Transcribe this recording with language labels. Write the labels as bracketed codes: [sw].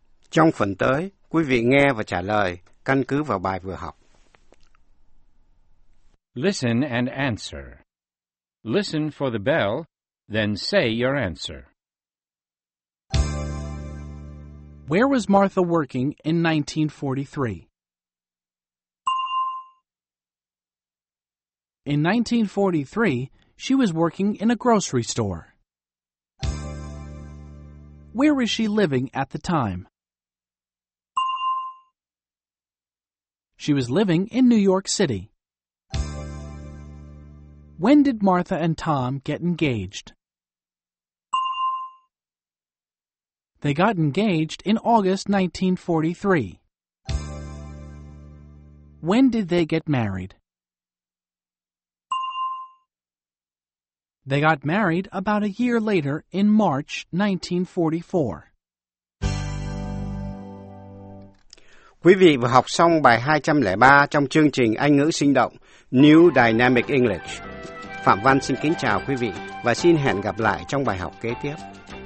[vi] Trong phần tới, quý vị nghe và trả lời căn cứ vào bài vừa học. [en] Listen and answer. Listen for the bell, then say your answer. Where was Martha working in 1943? In 1943, she was working in a grocery store. Where was she living at the time? She was living in New York City. When did Martha and Tom get engaged? They got engaged in August 1943. When did they get married? They got married about a year later in March 1944. [vi] Quý vị vừa học xong bài 203 trong chương trình Anh ngữ sinh động New Dynamic English. Phạm Văn xin kính chào quý vị và xin hẹn gặp lại trong bài học kế tiếp.